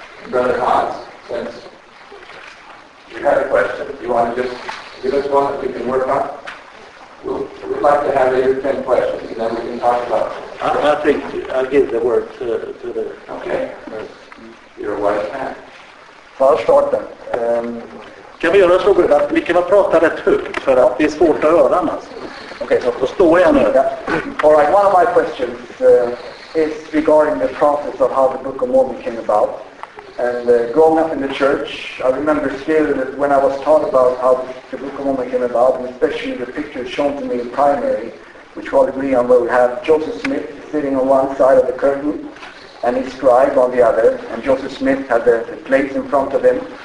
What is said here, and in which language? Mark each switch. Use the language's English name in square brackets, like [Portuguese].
[English] Brother Hans, since you had a question, do you want to just give us one that we can work on? We'd like to have 8 or 10 questions, and then we can talk about it. I think I'll give the word to the... Okay. You're a wise man. I'll start then. [Swedish] Kan vi göra så gott att vi kan prata rätt högt för att det är svårt att höra annars. Okej, så står jag nu. [English] All right, one of my questions is regarding the process of how the Book of Mormon came about. And growing up in the church, I remember still that when I was taught about how the Book of Mormon came about, and especially the picture shown to me in primary, which we all agree on, where we have Joseph Smith sitting on one side of the curtain and his scribe on the other, and Joseph Smith had the plates in front of him,